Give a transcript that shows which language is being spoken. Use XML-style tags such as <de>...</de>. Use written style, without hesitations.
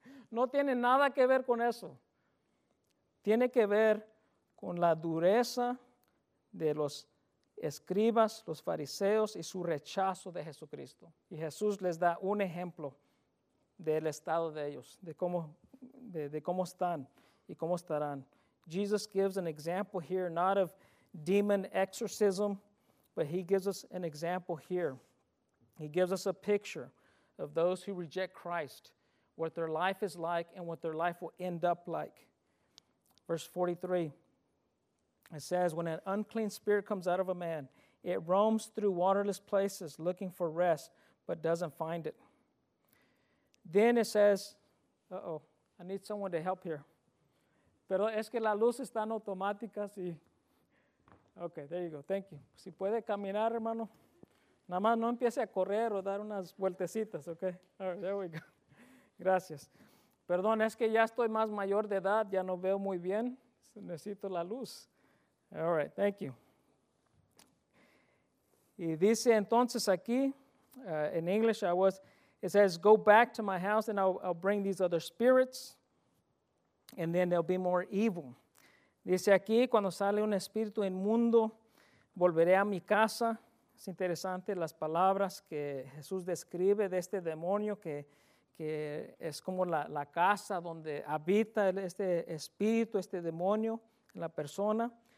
<es>No tiene nada que ver con eso. Tiene que ver con la dureza de los escribas, los fariseos y su rechazo de Jesucristo. Y Jesús les da un ejemplo del estado de ellos, de cómo están y cómo estarán.</es> <en>Jesus gives an example here, not of demon exorcism, but he gives us an example here. He gives us a picture of those who reject Christ, what their life is like and what their life will end up like. Verse 43, it says, when an unclean spirit comes out of a man, it roams through waterless places looking for rest, but doesn't find it. Then it says, I need someone to help here.</en> <es>Pero es que las luces están automáticas y...</es> <en>Okay, there you go, thank you.</en> <es>Si puede caminar, hermano, nada más no empiece a correr o dar unas vueltecitas, okay?</es> <en>All right, there we go.</en> <es>Gracias. Perdón, es que ya estoy más mayor de edad, ya no veo muy bien. Necesito la luz.</es> <en>All right, thank you.</en> <es>Y dice entonces aquí,</es> <en>in English it says, go back to my house and I'll bring these other spirits and then they'll be more evil.</en> <es>Dice aquí, cuando sale un espíritu inmundo, volveré a mi casa. Es interesante las palabras que Jesús describe de este demonio que es como la casa donde habita este espíritu, este demonio, la persona.</es>